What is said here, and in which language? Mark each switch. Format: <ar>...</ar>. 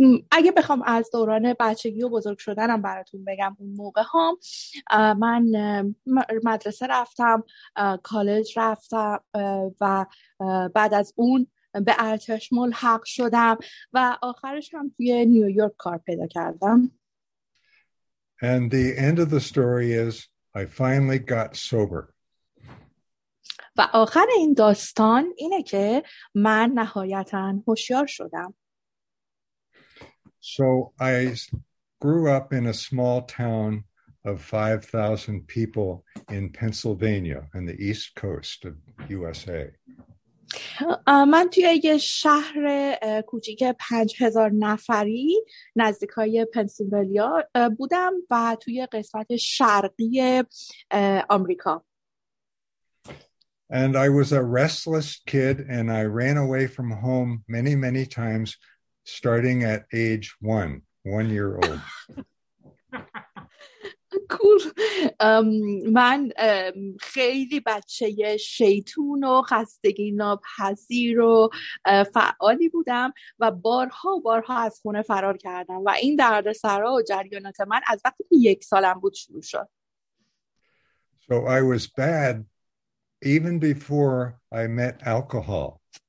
<fa>اگه بخوام از دوران بچگی و بزرگ شدنم براتون بگم، اون موقع هم من مدرسه رفتم، کالج رفتم، و بعد از اون به ارتش ملحق شدم، و آخرش هم توی نیویورک کار پیدا کردم.</fa> <en>And the end of the story is I finally got sober.</en> <fa>و آخر این داستان اینه که من نهایتاً هوشیار شدم.</fa> <en>So I grew up in a small town of 5,000 people in Pennsylvania on the east coast of USA.</en> <fa>من توی یه شهر کوچیک 5,000 نفری نزدیکای پنسیلوانیا بودم، و توی قسمت شرقی آمریکا.</fa> <en>And I was a restless kid, and I ran away from home many, many times, starting at age 1 year old. Cool.</en> <fa>من خیلی بچه شیطون و خستگی ناپذیر و فعالی بودم، و بارها و بارها از خونه فرار کردم، و این دردسرا و جریانات من از وقتی که 1 سالم بود شروع شد.</fa> <en>So I was bad even before I met alcohol.</en>